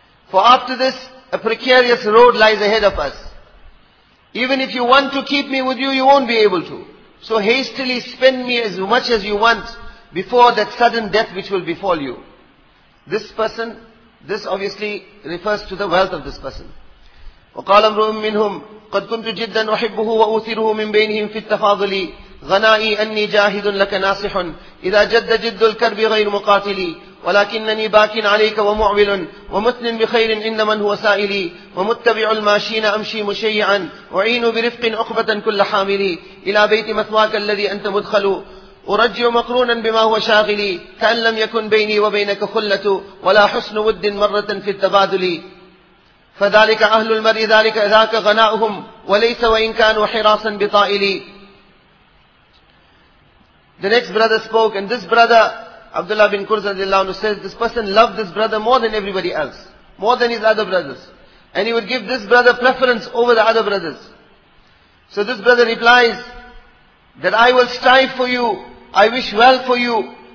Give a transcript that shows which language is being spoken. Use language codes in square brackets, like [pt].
[en] For after this, a precarious road lies ahead of us. Even if you want to keep me with you, you won't be able to. So hastily spend me as much as you want before that sudden death which will befall you. This person, this obviously refers to the wealth of this person. [ar] وَقَالَ أَمْرُهُمْ مِّنْهُمْ قَدْ كُنْتُ جِدًّا وَحِبُّهُ وَأُوْثِرُهُ مِنْ بَيْنِهِمْ فِي التَّفَاضُلِ غَنَائِي أَنِّي جَاهِدٌ لَكَ نَاصِحٌ إِذَا جَدَّ جِدُّ الْكَرْبِ غَيْرُ مُقَاتِلِي ولكنني باك عليك ومعول ومثن بخير عند من هو سائلي ومتبع الماشين امشي مشيعا اعين برفق عقبه كل حاملي الى بيت مثواك الذي انت مدخل ارجع مقرونا بما هو شاغلي كان لم يكن بيني وبينك خله ولا حسن ود مره في التبادل فذلك اهل المرء ذلك ذاك غناؤهم وليس وان كانوا حراسا بطائلي. [en] The next brother spoke, and this brother Abdullah bin Kurz radiallahu anhu says, this person loved this brother more than everybody else, more than his other brothers. And he would give this brother preference over the other brothers. So this brother replies, that I will strive for you, I wish well for you.